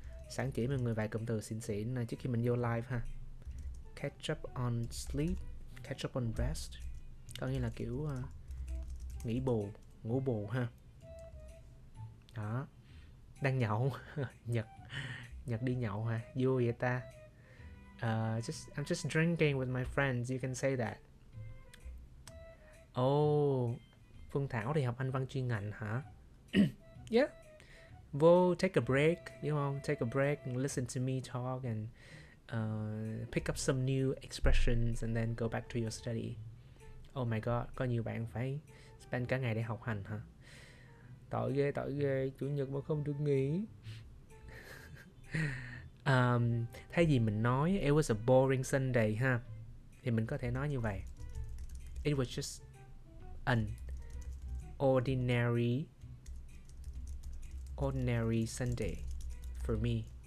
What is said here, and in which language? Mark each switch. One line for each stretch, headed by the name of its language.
Vietnamese: Sẵn chỉ mọi người vài cụm từ xịn xịn này trước khi mình vô live ha.
English: Catch up on sleep, catch up on rest.
Vietnamese: Có nghĩa là kiểu nghỉ bù, ngủ bù ha. Đó. Đang nhậu. Nhật. Nhật đi nhậu ha, vui vậy ta.
English: I'm just drinking with my friends, you can say that.
Vietnamese: Oh, Phương Thảo thì học Anh văn chuyên ngành hả?
English: Yeah.
Vietnamese: Vô
English: take a break, you know, take a break and listen to me talk and pick up some new expressions and then go back to your study. Oh my god,
Vietnamese: có nhiều bạn phải spend cả ngày để học hành hả? Tội ghê, chủ nhật mà không được nghỉ. Thay vì mình nói
English: it was a boring Sunday
Vietnamese: ha, thì mình có thể nói như vậy.
English: It was just an ordinary Sunday for me.